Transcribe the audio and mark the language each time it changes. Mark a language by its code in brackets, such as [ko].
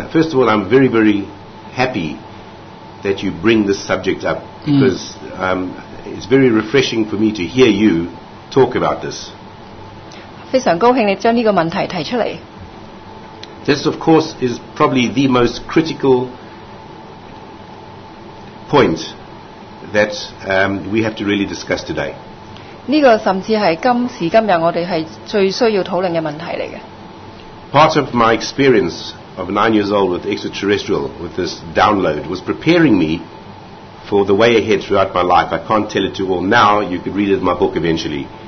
[en] First of all, I'm very, very happy that you bring this subject up because it's very refreshing for me to hear you talk about this. [yue] 非常高興你將呢個問題提出嚟。 [en] This, of course, is probably the most critical point that we have to really discuss today. [yue] 呢個甚至係今時今日我哋係最需要討論嘅問題嚟嘅。 [en] Part of my experience of 9 years old with extraterrestrial, with this download, was preparing me for the way ahead throughout my life. I can't tell it to all now. You could read it in my book eventually.